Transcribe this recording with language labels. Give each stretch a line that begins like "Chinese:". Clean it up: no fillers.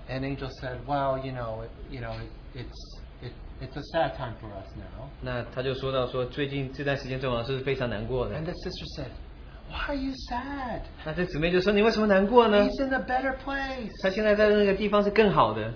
English: And Angel said, well, it's a sad time for us now.
Chinese: 那她就说到说最近这段时间对我们是非常难过的。
English: And the sister said, why are you sad?
Chinese: 那这姊妹就说你为什么难过呢?
English: He's in a better place.
Chinese: 她现在在那个地方是更好的。